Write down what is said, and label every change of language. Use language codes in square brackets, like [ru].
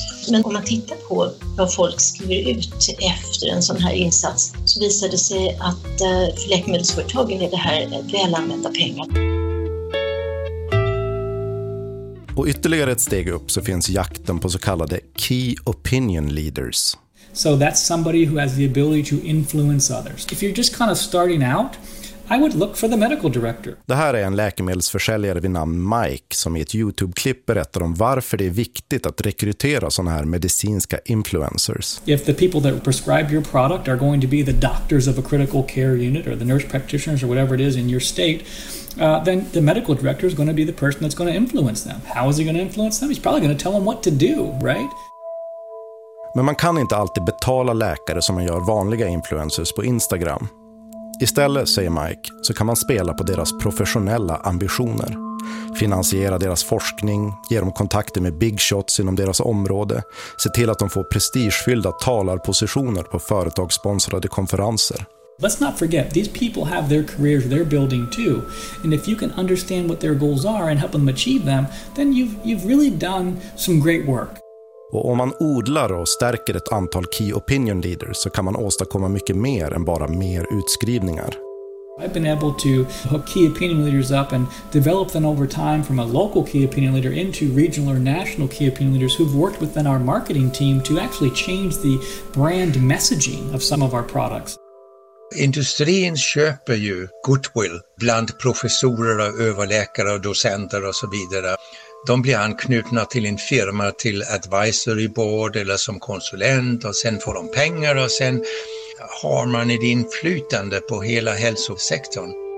[sv] Men om man tittar på vad folk skriver ut efter en sån här insats så visar det sig att för läkemedelsföretagen är det här välanvända pengar. Och ytterligare ett steg upp så finns jakten på så kallade key opinion leaders. [en] So that's somebody who has the ability to influence others. If you're just kind of starting out, I would look for the medical director. [sv] Det här är en läkemedelsförsäljare vid namn Mike som i ett YouTube-klipp berättar om varför det är viktigt att rekrytera såna här medicinska influencers. [en] If the people that prescribe your product are going to be the doctors of a critical care unit or the nurse practitioners or whatever it is in your state, then the medical director is going to be the person that's going to influence them. How is he going to influence them? He's probably going to tell them what to do, right? [sv] Men man kan inte alltid betala läkare som man gör vanliga influencers på Instagram. Istället, säger Mike, så kan man spela på deras professionella ambitioner. Finansiera deras forskning, ge dem kontakter med [en] big shots [sv] inom deras område, se till att de får prestigefyllda talarpositioner på företagssponsrade konferenser. [en] Let's not forget, these people have their careers they're building too. And if you can understand what their goals are and help them achieve them, then you've really done some great work. [sv] Och om man odlar och stärker ett antal key opinion leaders så kan man åstadkomma mycket mer än bara mer utskrivningar. [en] I've been able to hook key opinion leaders up and develop them over time from a local key opinion leader into regional or national key opinion leaders who've worked within our marketing team to actually change the brand messaging of some of our products. [sv] Industrin köper ju goodwill bland professorer, överläkare och docenter och så vidare. De blir anknutna till en firma, till [en] advisory board [sv] eller som konsulent, och sen får de pengar och sen har man ett inflytande på hela hälsosektorn.